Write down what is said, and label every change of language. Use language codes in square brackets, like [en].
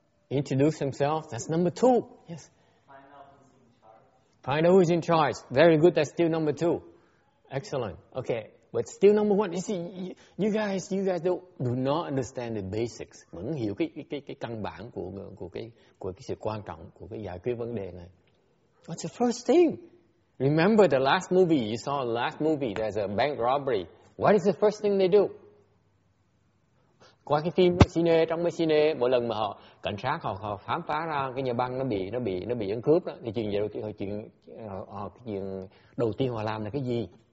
[en] Introduce himself. That's number two. Yes. Find out who's in charge. Very good. That's still number two. Excellent. Okay. But still number one. You see, you guys do not understand the basics. [vi] Vẫn hiểu cái căn bản của cái sự quan trọng của cái giải quyết vấn đề này. [en] What's the first thing? Remember the last movie, you saw the last movie, there's a bank robbery. What is the first thing they do? [vi] Qua cái phim cine, trong mấy cine, mỗi lần mà họ, cảnh sát họ khám phá ra cái nhà băng nó bị ăn cướp đó. Thì chuyện đầu tiên họ làm là cái gì?